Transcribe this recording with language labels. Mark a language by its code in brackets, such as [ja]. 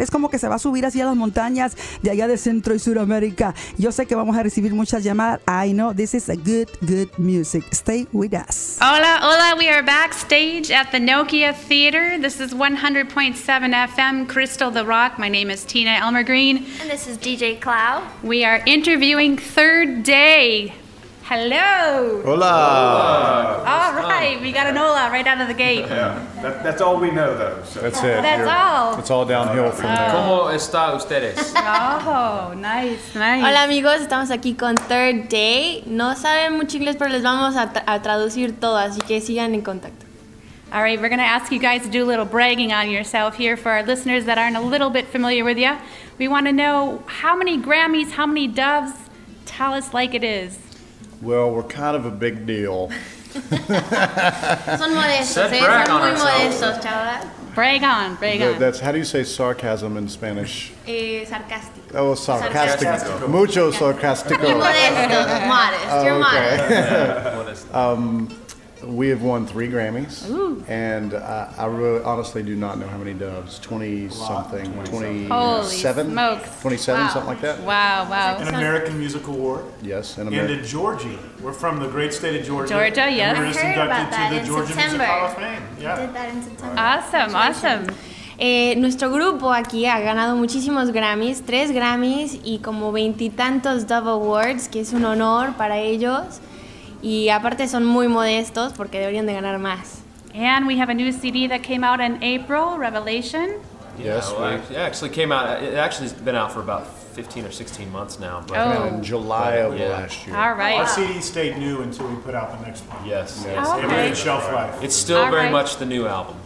[es] Es como que se va a subir así a las montañas de allá de Centro y Suramérica. Yo sé que vamos a recibir muchas llamadas. [en] I know this is a good, good music. Stay with us. [es] Hola, hola. [en] We are backstage at the Nokia Theater. This is 100.7 FM, Crystal the Rock. My name is Tina Elmer Green. And this is DJ Clow. We are interviewing Third Day. Hello. [es] Hola. Hola. [en] All right, we got an hola right out of the gate. Yeah, that's all we know, though. So. That's it. That's here. All. It's all downhill from there. [es] ¿Cómo está ustedes? [en] Oh, nice. [es] Hola, amigos. Estamos aquí con Third Day. No saben mucho inglés, pero les vamos a traducir todo, así que sigan en contacto. [en] All right, we're going to ask you guys to do a little bragging on yourself here for our listeners that aren't a little bit familiar with you. We want to know how many Grammys, how many Doves, tell us like it is. Well, we're kind of a big deal. [es] Son modestos, ¿eh? Son muy modestos, chaval. [en] Brag on. That's, how do you say sarcasm in Spanish? [es] Sarcástico. Oh, sarcástico. Mucho sarcástico. [en] Modesto. Modest. You're modest. We have won 3 Grammys. Ooh. And I really honestly do not know how many Doves. 20-something. 27? Holy smokes. 27, wow. Something like that. Wow. An American Music Award. Yes, in America. And a Georgie. We're from the great state of Georgia. Georgia, yes. And we're just inducted to the Georgia September. Music Hall of Fame. Yeah. Did that in September. Awesome. [es] Nuestro grupo aquí ha ganado muchísimos Grammys. 3 Grammys y como 20-something Dove Awards, que es un honor para ellos. Y aparte son muy modestos porque deberían de ganar más. [en] And we have a new CD that came out in April, Revelation. Yes, yeah, well, it actually came out. It actually has been out for about 15 or 16 months now. But oh. In July of last year. All right. Our CD stayed new until we put out the next one. Yes. Okay. It had shelf life. It's still all very right. much the new album.